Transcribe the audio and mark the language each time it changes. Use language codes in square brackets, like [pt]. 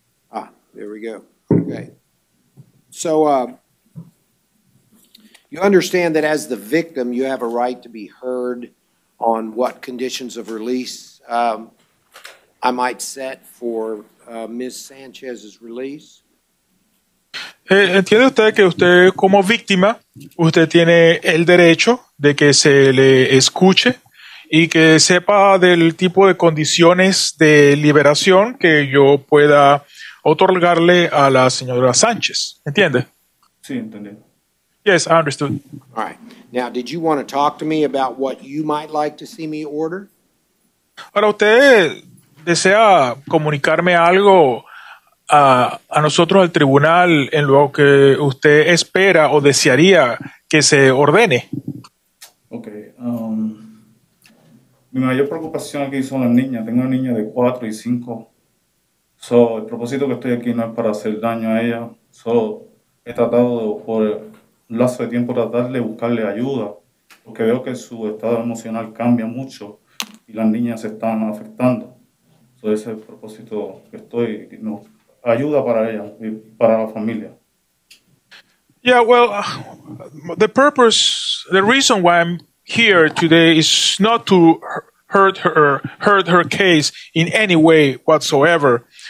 [en] Ah, there we go. Okay. So, you understand that as the victim, you have a right to be heard on what conditions of release I might set for Ms. Sanchez's release? [es] ¿Entiende usted que usted, como víctima, usted tiene el derecho de que se le escuche y que sepa del tipo de condiciones de liberación que yo pueda otorgarle a la señora Sánchez? ¿Entiende? Sí, entendí. [en] Yes, I understood. All right. Now, did you want to talk to me about what you might like to see me order? [es] Ahora, ¿usted desea comunicarme algo a nosotros, al tribunal, en lo que usted espera o desearía que se ordene? Okay. Mi mayor preocupación aquí son las niñas. Tengo una niña de 4 y 5. So, el propósito que estoy aquí no es para hacer daño a ella. Solo he tratado por un lazo de tiempo tratarle de buscarle ayuda. Porque veo que su estado emocional cambia mucho y las niñas se están afectando. So, ese es el propósito que estoy. No, ayuda para ella y para la familia. [en] Yeah, well, the purpose, the reason why I'm here today is not to hurt her case in any way whatsoever.